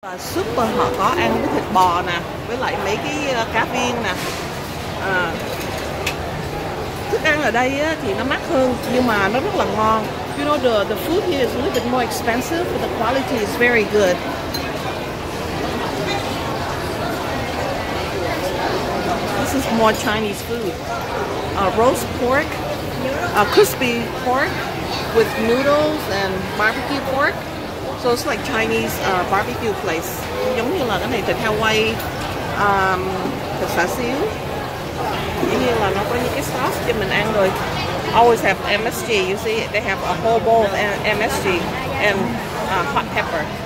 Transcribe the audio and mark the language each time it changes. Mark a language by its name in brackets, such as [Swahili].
[Vietnamese] Và super họ có ăn cái thịt bò nè, với lại mấy cái cá viên nè. Thức ăn ở đây thì nó mắc hơn nhưng mà nó rất là ngon. [English] You know the food here is a little bit more expensive but the quality is very good. This is more Chinese food. Roast pork, crispy pork with noodles and barbecue pork. So it's like Chinese barbecue place. [Vietnamese] Giống như là cái này thịt heo quay, thịt xả xíu. Giống như là nó có những cái sauce cho mình ăn rồi. [English] Always have MSG, you see, they have a whole bowl of MSG and hot pepper.